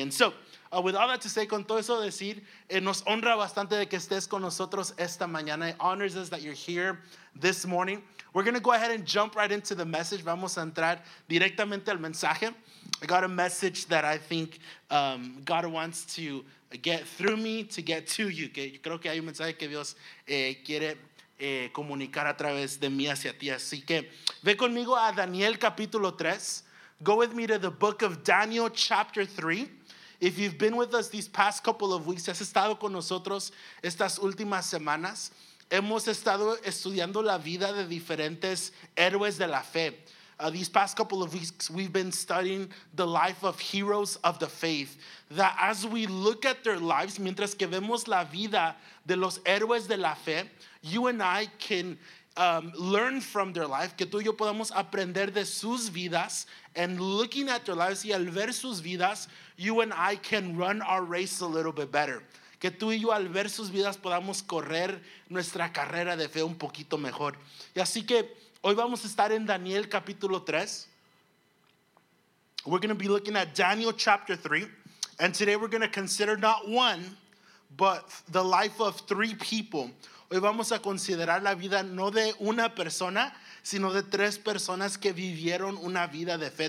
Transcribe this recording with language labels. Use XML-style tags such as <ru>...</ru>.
<en>And so, with all that to say,</en> <es>con todo eso decir, nos honra bastante de que estés con nosotros esta mañana.</es> <en>It honors us that you're here this morning. We're going to go ahead and jump right into the message.</en> <es>Vamos a entrar directamente al mensaje.</es> <en>I got a message that I think God wants to get through me to get to you. Okay?</en> <es>Creo que hay un mensaje que Dios quiere comunicar a través de mí hacia ti. Así que ve conmigo a Daniel capítulo 3.</es> <en>Go with me to the book of Daniel chapter 3. If you've been with us these past couple of weeks,</en> <es>has estado con nosotros estas últimas semanas, hemos estado estudiando la vida de diferentes héroes de la fe. These past couple of weeks, we've been studying the life of heroes of the faith.</es> <en>That as we look at their lives,</en> <es>mientras que vemos la vida de los héroes de la fe,</es> <en>you and I can learn from their life,</en> <es>que tú y yo podamos aprender de sus vidas.</es> <en>And looking at their lives</en> <es>y al ver sus vidas,</es> <en>you and I can run our race a little bit better.</en> <es>Que tú y yo al ver sus vidas podamos correr nuestra carrera de fe un poquito mejor. Y así que hoy vamos a estar en Daniel capítulo 3.</es> <en>We're going to be looking at Daniel chapter 3. And today we're going to consider not one, but the life of three people.</en> <es>Hoy vamos a considerar la vida no de una persona, sino de tres personas que vivieron una vida de fe.</es>